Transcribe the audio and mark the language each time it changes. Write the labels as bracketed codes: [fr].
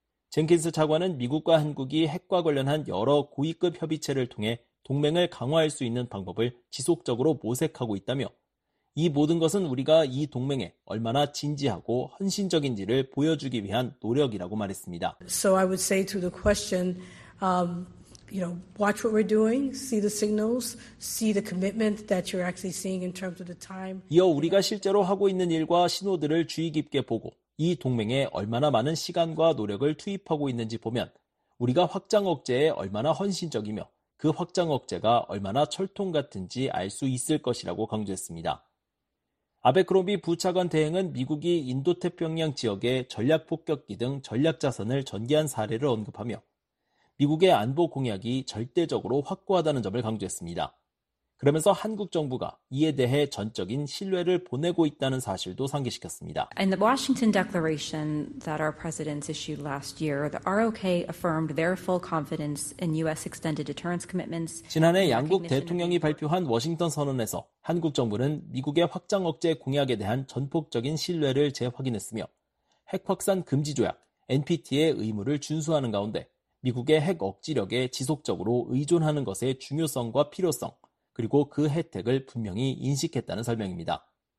[ko] 젠킨스 차관은 미국과 한국이 핵과 관련한 여러 고위급 협의체를 통해 동맹을 강화할 수 있는 방법을 지속적으로 모색하고 있다며 이 모든 것은 우리가 이 동맹에 얼마나 진지하고 헌신적인지를 보여주기 위한 노력이라고 말했습니다. [en] So I would say to the question, watch what we're doing, see the signals, see the commitment that you're actually seeing in terms of the time. [ko] 이어 우리가 실제로 하고 있는 일과 신호들을 주의 깊게 보고 이 동맹에 얼마나 많은 시간과 노력을 투입하고 있는지 보면 우리가 확장 억제에 얼마나 헌신적이며 그 확장 억제가 얼마나 철통 같은지 알 수 있을 것이라고 강조했습니다. 아베크롬비 부차관 대행은 미국이 인도태평양 지역에 전략폭격기 등 전략자산을 전개한 사례를 언급하며 미국의 안보 공약이 절대적으로 확고하다는 점을 강조했습니다. 그러면서 한국 정부가 이에 대해 전적인 신뢰를 보내고 있다는 사실도 상기시켰습니다. [en] In the Washington Declaration that our presidents issued last year, the ROK affirmed their full confidence in U.S. extended deterrence commitments. [ko] 지난해 양국 대통령이 발표한 워싱턴 선언에서 한국 정부는 미국의 확장 억제 공약에 대한 전폭적인 신뢰를 재확인했으며 핵 확산 금지 조약 NPT의 의무를 준수하는 가운데 미국의 핵 억지력에 지속적으로 의존하는 것의 중요성과 필요성 그리고 그 혜택을 분명히 인식했다는 설명입니다.